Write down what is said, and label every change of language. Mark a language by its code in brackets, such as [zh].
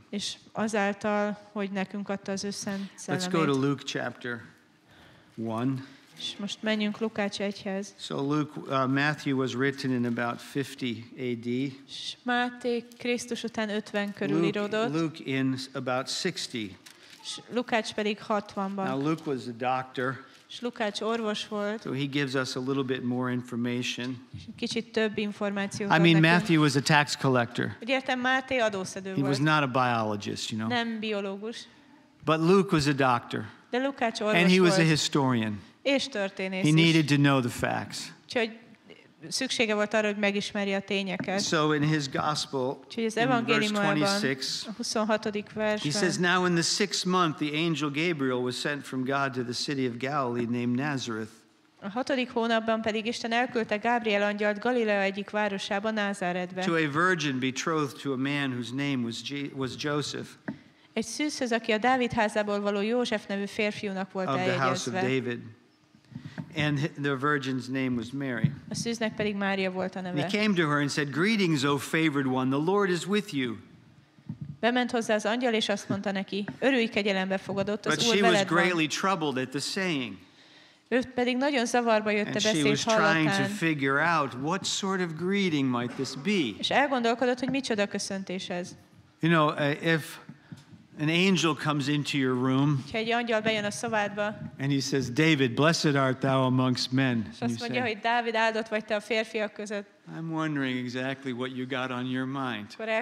[hu] és azáltal, hogy nekünk adta az ő Szent Szellemét. [en] Let's go to Luke chapter 1. [hu] És most menjünk Lukács 1-hez. [en] So Luke, Matthew was written in about 50 AD. [hu] Máté Krisztus után 50 körül íródott. [en] Luke in about 60. [hu] Lukács pedig 60-ban. [en] Now Luke was a doctor. [hu] Lukács orvos volt. [en] So he gives us a little bit more information. [hu] Kicsit több információt. [en] I mean, Matthew was a tax collector. [hu] Értem, Máté adószedő volt. [en] He was not a biologist, you know. [hu] Nem biológus. [en] But Luke was a doctor. [hu] De Lukács orvos volt. [en] And he was a historian. He needed to know the facts. [hu] Úgyhogy szüksége volt arra, hogy megismerje a tényeket. [en] So in his gospel, [hu] úgyhogy az evangéliumában, 26. versben, [en] he says, now in the sixth month, the angel Gabriel was sent from God to the city of Galilee named Nazareth. [hu] A hatodik hónapban pedig Isten elküldte Gábriel angyalt Galilea egyik városába, Názáretbe. [en] To a virgin betrothed to a man whose name was Joseph. [hu] Egy szűzhöz, aki a Dávid házából való József nevű férfiúnak volt eljegyezve. [en] Of the house of David. And the virgin's name was Mary. [hu] A szűznek pedig Mária volt a neve. [en] And he came to her and said, "Greetings, O favored one, the Lord is with you." [hu] Bement hozzá az angyal, és azt mondta neki, örülj, kegyelembe fogadott, az Úr veled van. [en] But she was greatly troubled at the saying. [hu] Ő pedig nagyon zavarba jött a beszéd hallatán. [en] And she was trying to figure out what sort of greeting might this be. [hu] És elgondolkodott, hogy micsoda köszöntés ez. [en] You know, if an angel comes into your room, [hu] egy angyal bejön a szobádba, [en] and he says, David, blessed art thou amongst men. [hu] Mondja, hogy Dávid, áldott vagy te a férfiak között. [en] I'm wondering exactly what you got on your mind.